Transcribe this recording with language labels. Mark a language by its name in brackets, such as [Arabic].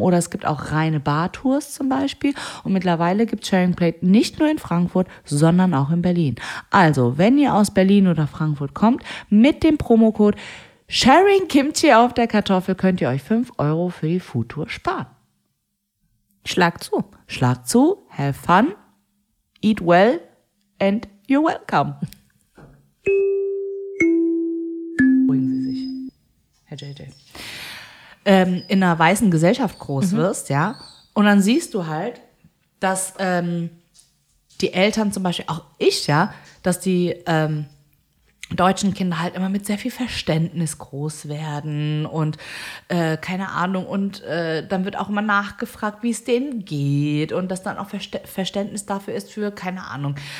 [German] Oder es gibt auch reine Bartours zum Beispiel. Und mittlerweile gibt Sharing Plate nicht nur in Frankfurt, sondern auch in Berlin. Also, wenn ihr aus Berlin oder Frankfurt kommt, mit dem Promocode Sharing Kimchi auf der Kartoffel könnt ihr euch 5 Euro für die Foodtour sparen. Schlag zu. Schlag zu, [English] have fun, eat well, and you're welcome. [German] Beruhigen Sie sich, Herr JJ. In einer weißen Gesellschaft groß, mhm, wirst, ja, und dann siehst du halt, dass die Eltern zum Beispiel, auch ich, ja, dass die deutschen Kinder halt immer mit sehr viel Verständnis groß werden und keine Ahnung und dann wird auch immer nachgefragt, wie es denen geht und dass dann auch Verständnis dafür ist für, keine Ahnung,